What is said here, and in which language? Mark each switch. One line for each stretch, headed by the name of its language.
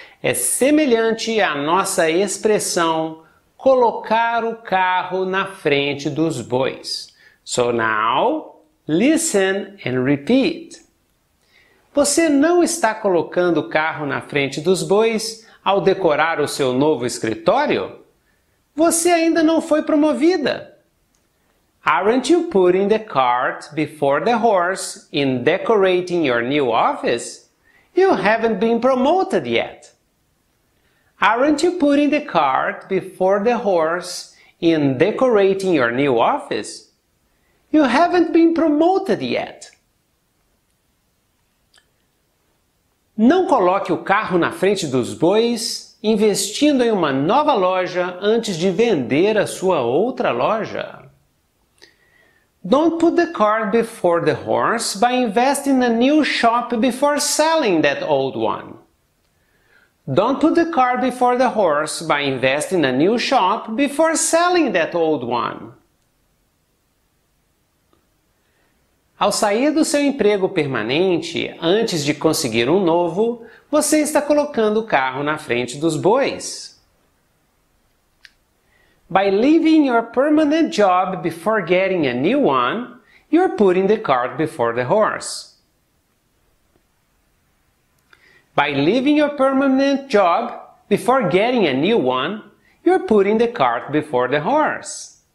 Portuguese: É semelhante à nossa expressão colocar o carro na frente dos bois.
English: So now, listen and repeat.
Portuguese: Você não está colocando o carro na frente dos bois ao decorar o seu novo escritório? Você ainda não foi promovida.
English: Aren't you putting the cart before the horse in decorating your new office? You haven't been promoted yet. Aren't you putting the cart before the horse in decorating your new office? You haven't been promoted yet.
Portuguese: Não coloque o carro na frente dos bois investindo em uma nova loja antes de vender a sua outra loja.
English: Don't put the cart before the horse by investing in a new shop before selling that old one. Don't put the cart before the horse by investing in a new shop before selling that old one.
Portuguese: Ao sair do seu emprego permanente, antes de conseguir um novo, você está colocando o carro na frente dos bois.
English: By leaving your permanent job before getting a new one, you're putting the cart before the horse. By leaving your permanent job before getting a new one, you're putting the cart before the horse.